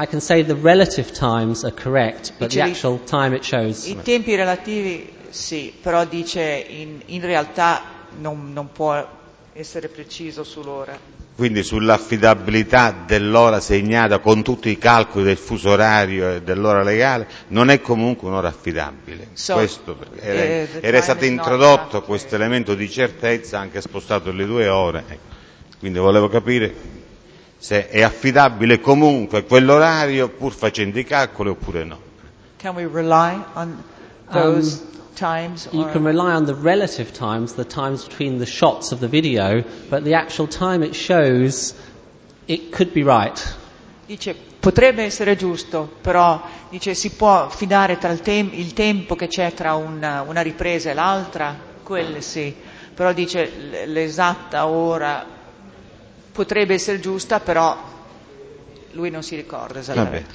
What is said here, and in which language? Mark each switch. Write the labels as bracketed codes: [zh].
[en] I can say the relative times are correct, but the actual time it shows. [it] I tempi relativi sì, però dice in realtà non può essere preciso sull'ora. Quindi sull'affidabilità dell'ora segnata con tutti i calcoli del fuso orario e dell'ora legale non è comunque un'ora affidabile. [en] So, [it] questo era stato introdotto questo elemento di certezza, anche spostato le due ore. Quindi volevo capire se è affidabile comunque quell'orario pur facendo i calcoli oppure no. [en] Can we rely on those times? You can rely on the relative times, the times between the shots of the video, but the actual time it shows, it could be right. [it] Dice, potrebbe essere giusto, però dice si può fidare tra il tempo che c'è tra una ripresa e l'altra, quelle sì, però dice l'esatta ora potrebbe essere giusta, però lui non si ricorda esattamente.